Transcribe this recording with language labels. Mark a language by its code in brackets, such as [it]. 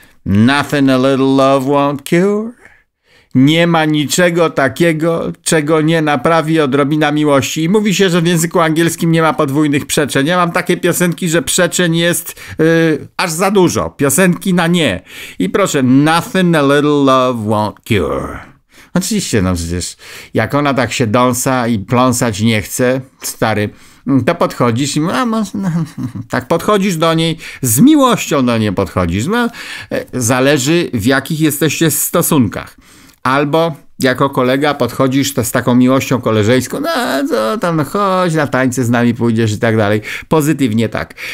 [en] Nothing a little love won't cure. [pl] Nie ma niczego takiego, czego nie naprawi odrobina miłości. I mówi się, że w języku angielskim nie ma podwójnych przeczeń. Ja mam takie piosenki, że przeczeń jest aż za dużo. Piosenki na nie. I proszę, [en] nothing a little love won't cure. [pl] Oczywiście, no przecież, jak ona tak się dąsa i pląsać nie chce, stary, to podchodzisz i tak podchodzisz do niej, z miłością do niej podchodzisz. No, zależy, w jakich jesteście stosunkach. Albo jako kolega podchodzisz to z taką miłością koleżeńską, no co tam, chodź na tańce z nami pójdziesz i tak dalej. Pozytywnie tak.